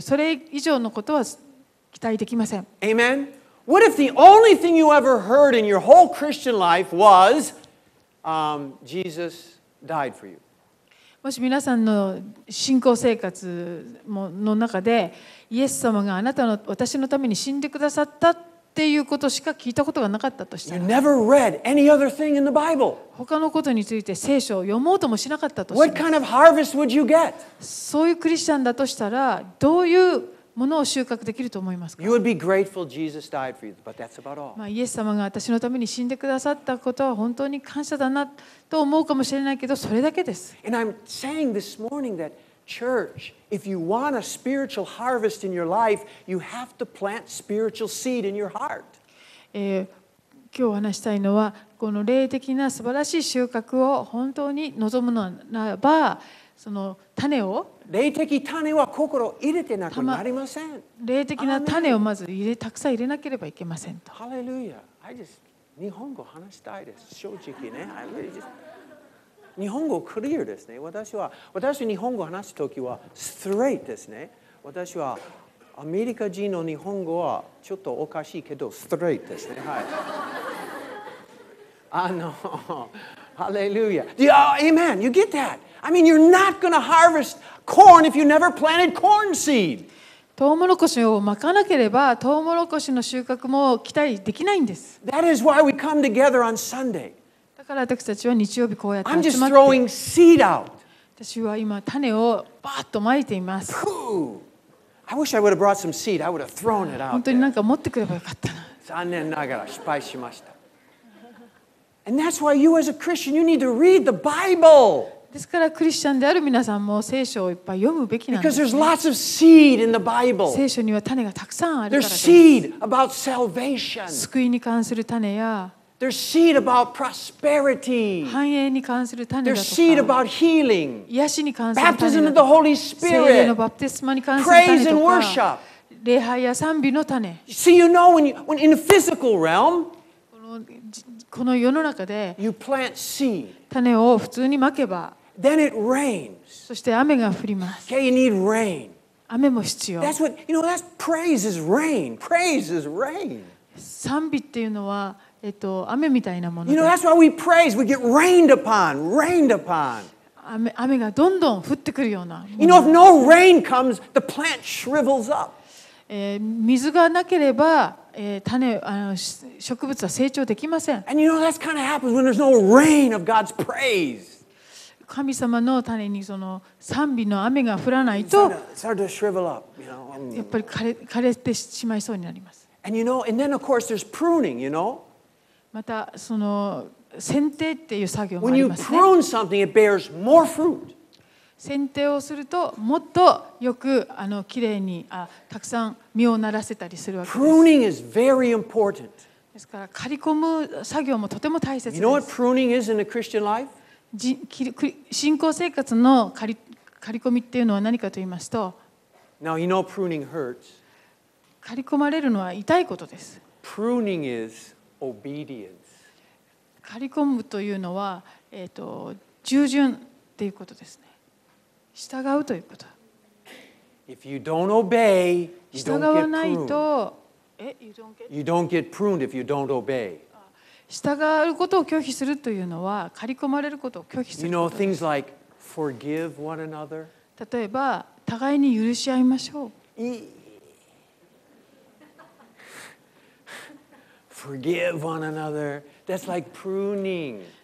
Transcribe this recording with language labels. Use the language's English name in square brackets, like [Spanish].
[Japanese] それ以上のことは期待できません。 [English] Amen. What if the only thing you ever heard in your whole Christian life was, Jesus died for you? [Japanese] もし皆さんの信仰生活の中で、イエス様があなたの私のために死んでくださったっていうことしか聞いたことがなかったとしたら、 [English] You never read any other thing in the Bible. [Japanese] 他のことについて聖書を読もうともしなかったとしたら、 [English] What kind of harvest would you get? [Japanese] そういうクリスチャンだとしたら、どういうものを収穫できると思いますか。 [English] You would be grateful Jesus died for you, but that's about all. [Japanese] まあ、イエス様が私のために死んでくださったことは本当に感謝だなと思うかもしれないけど、それだけです。 [English] And I'm saying this morning that church, if you want a spiritual harvest in your life, you have to plant spiritual seed in your heart. [Japanese] 今日話したいのは、この霊的な素晴らしい収穫を本当に望むのならば、その種を霊的種は心を入れてなくなりません。霊的な種をまず入れたくさん入れなければいけませんと。ハレルヤ。 [English] I just [Japanese] 日本語話したいです。正直ね。 [English] I really just [Japanese] 日本語クリアですね。私日本語話すときはストレートですね。私はアメリカ人の日本語はちょっとおかしいけどストレートですね。はい。 [English] ハレルヤ。Yeah, amen. You get that? I mean, you're not going to harvest corn if you never planted corn seed. [Japanese] トウモロコシをまかなければ、トウモロコシの収穫も期待できないんです。 [English] That is why we come together on Sunday. [Japanese] だから私たちは日曜日こうやって集まって。 [English] I'm just throwing seed out. [Japanese] 私は今種をバーッと撒いています。 [English] I wish I would have brought some seed. I would have thrown it out. [Japanese] 本当になんか持ってくればよかったな。残念ながら失敗しました。 [English] And that's why you as a Christian, you need to read the Bible. [Japanese] ですからクリスチャンである皆さんも聖書をいっぱい読むべきなんです、ね、 [English] Because there's lots of seed in the Bible. [Japanese] 聖書には種がたくさんあるからです。 [English] There's seed about salvation. [Japanese] 救いに関する種や、 [English] There's seed about prosperity. [Japanese] 繁栄に関する種だとか、 [English] There's seed about healing. [Japanese] 癒しに関する種、 [English] Baptism of the Holy Spirit. [Japanese] 聖霊のバプテスマに関する種とか、 [English] Praise and worship. [Japanese] 礼拝や賛美の種。 [English] See, you know, when in the physical realm, [Japanese] この世の中で種を普通にまけば、そして雨が降ります。 [English] Okay, you need rain. [Japanese] 雨も必要。 [English] That's what, you know, that's praise is rain. Praise is rain. [Japanese] 賛美っていうのは、雨みたいなもので。 [English] You know, that's why we praise. We get rained upon, rained upon. [Japanese] 雨がどんどん降ってくるような。 [English] You know, if no rain comes, the plant shrivels up. [Japanese] 水がなければ、種植物は成長できません。 [English] And you know that's kind of happens when there's no rain of God's praise. [Japanese] 神様の種にその賛美の雨が降らないと、 [English] start to shrivel up, you know. [Japanese] やっぱり枯れてしまいそうになります。 [English] And you know, and then of course there's pruning, you know. [Japanese] またその剪定っていう作業もありますね。 [English] When you prune something, it bears more fruit. [Japanese] 剪定をするともっとよくきれいにたくさん実をならせたりするわけです。 [English] Pruning is very important. [Japanese] ですから刈り込む作業もとても大切です。 [English] You know what pruning is in a Christian life? [Japanese] 信仰生活の刈り込みっていうのは何かと言いますと、 [English] Now you know pruning hurts. [Japanese] 刈り込まれるのは痛いことです。 [English] Pruning is obedience. [Japanese] 刈り込むというのは従順っていうことですね。従うということ。 [English] If you don't obey, you don't get pruned. You don't get pruned if you don't obey. [Japanese] 従うことを拒否するというのは、刈り込まれることを拒否することです。 [English] You know, things like forgive one another. [Japanese] 例えば、互いに許し合いましょう。 [English] Forgive one another. That's like pruning.